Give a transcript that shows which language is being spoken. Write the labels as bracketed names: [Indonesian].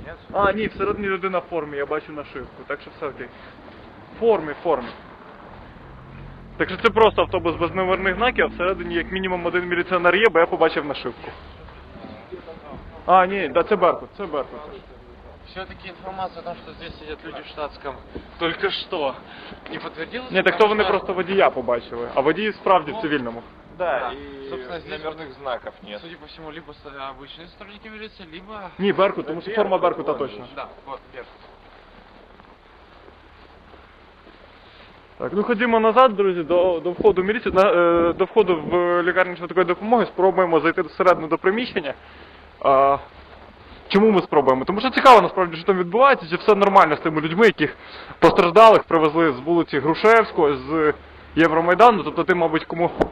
[Ukrainian] ні? А, ні, всередині людина в формі, я бачу нашивку, так що все окей. В формі, в формі. Так що це просто автобус без номерних знаків, а всередині як мінімум один міліціонер є, бо я побачив нашивку. А, ні, да, це Беркут, це Беркут. [Russian] Все-таки інформація о том, що здесь сидять люди в штатском, только что, не подтвердилась? [Ukrainian] Ні, так то вони просто водія побачили, а водії справді в цивільному. [Russian] Да, и, собственно, здесь номерных знаков нет. Судя по всему, либо обычные сотрудники милиции, либо... Не, Беркут, потому что форма Беркута точно. Да, вот, Беркут. [Ukrainian] Так, ну, ходимо назад, друзі, до входу милиции, до входу в лікарничную такую допомогу, спробуємо зайти всередину до приміщення. Чому ми спробуємо? Тому що цікаво, насправді, що там відбувається, чи все нормально з тими людьми, яких постраждалих привезли з вулиці Грушевського, з Євромайдану, тобто ти, мабуть, кому...